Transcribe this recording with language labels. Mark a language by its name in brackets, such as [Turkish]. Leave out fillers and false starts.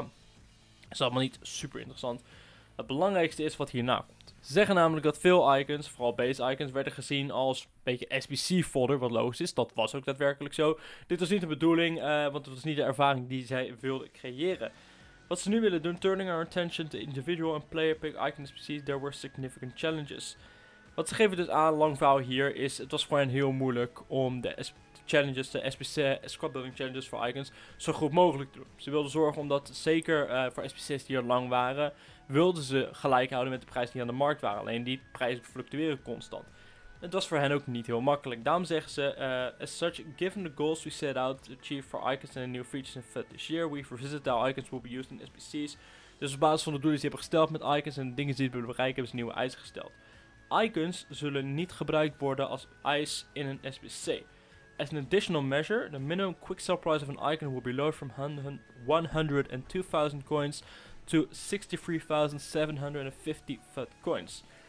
[Dutch] Dat is allemaal niet super interessant. Het belangrijkste is wat hierna komt. Ze zeggen namelijk dat veel icons, vooral base icons, werden gezien als een beetje SBC fodder, wat logisch is. Dat was ook daadwerkelijk zo. Dit was niet de bedoeling, want het was niet de ervaring die zij wilden creëren. Wat ze nu willen doen, [English] turning our attention to individual and player pick icon SBC's, there were significant challenges. [Dutch] Wat ze geven dus aan, lang verhaal hier, is het was voor hen heel moeilijk om de SBC squad building challenges voor icons zo goed mogelijk te doen. Ze wilden zorgen omdat zeker voor SBC's die er lang waren, wilden ze gelijk houden met de prijzen die aan de markt waren. Alleen die prijzen fluctueren constant. Het was voor hen ook niet heel makkelijk. Daarom zeggen ze, [English] as such, given the goals we set out to achieve for icons and the new features in FUT this year, we've revisited how icons will be used in SBC's. [Dutch] Dus op basis van de doelen die ze hebben gesteld met icons en de dingen die ze willen bereiken, hebben ze nieuwe eisen gesteld. Icons zullen niet gebruikt worden als ice in een SBC. [English] As an additional measure, the minimum quick sell price of an icon will be lowered from 100 and 2000 coins to 63,750 FUT coins.